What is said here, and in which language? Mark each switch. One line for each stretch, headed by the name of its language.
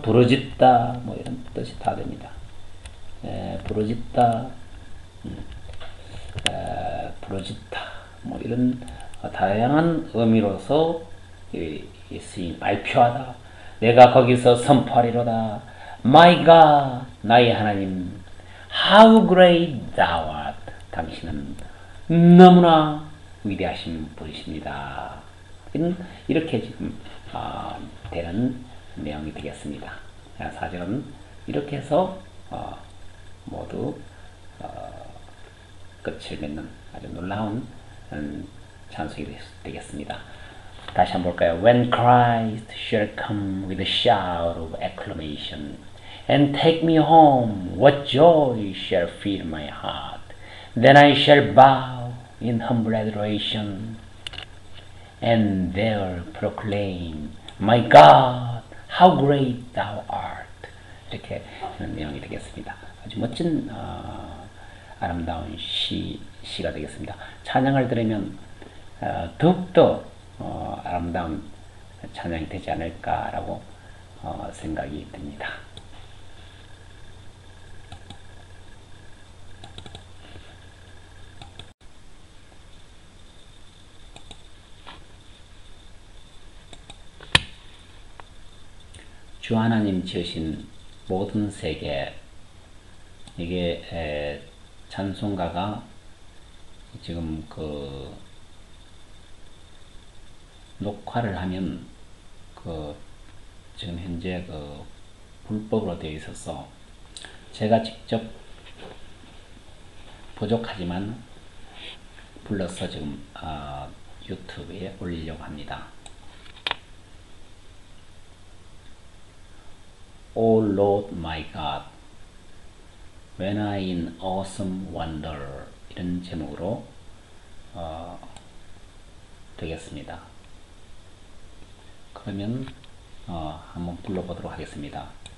Korean: 부르짖다 뭐 이런 뜻이 다 됩니다. 부르짖다 부르짖다 뭐 이런 다양한 의미로서 예수님 발표하다 내가 거기서 선포하리로다
English: My God
Korean: 나의 하나님
English: How great thou art
Korean: 당신은 너무나 위대하신 분이십니다 이렇게 지금 되는 내용이 되겠습니다 사실은 이렇게 해서 모두 끝을 맺는 아주 놀라운 찬송이 되겠습니다. 다시 한번 볼까요?
English: When Christ shall come with a shout of acclamation and take me home, what joy shall fill my heart? Then I shall bow in humble adoration and there proclaim, My God, How great thou art.
Korean: 이렇게 내용이 되겠습니다. 아주 멋진, 아름다운 시가 되겠습니다. 찬양을 들으면, 더욱더, 아름다운 찬양이 되지 않을까라고, 생각이 듭니다. 주 하나님 지으신 모든 세계, 이게 찬송가가 지금 그 녹화를 하면 그 지금 현재 그 불법으로 되어 있어서 제가 직접 부족하지만 불러서 지금 유튜브에 올리려고 합니다.
English: O Lord my God, when I in awesome wonder
Korean: 이런 제목으로 되겠습니다. 그러면 한번 불러보도록 하겠습니다.